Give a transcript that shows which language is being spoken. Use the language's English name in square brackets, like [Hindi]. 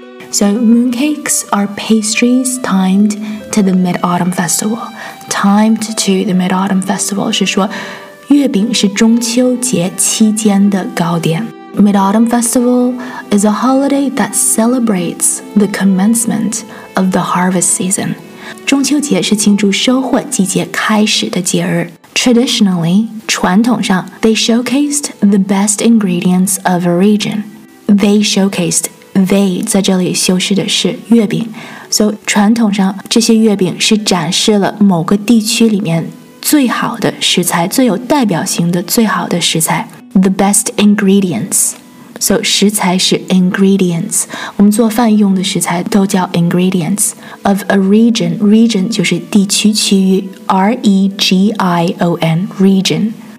[English] So mooncakes are pastries timed to the Mid-Autumn Festival. Timed to the Mid-Autumn Festival [Chinese] 是说月饼是中秋节期间的糕点。 [English] Mid-Autumn Festival is a holiday that celebrates the commencement of the harvest season. [Chinese] 中秋节是庆祝收获季节开始的节日。 [English] Traditionally, [Chinese] 传统上 [English] they showcased the best ingredients of a region. They showcased [Chinese] They 在这里修饰的是月饼， So 传统上这些月饼是展示了某个地区里面最好的食材，最有代表性的最好的食材， [English] The best ingredients， [Chinese] So 食材是 ingredients， 我们做饭用的食材都叫 [English] ingredients of a region， [Chinese] region 就是地区区域， R-E-G-I-O-N region。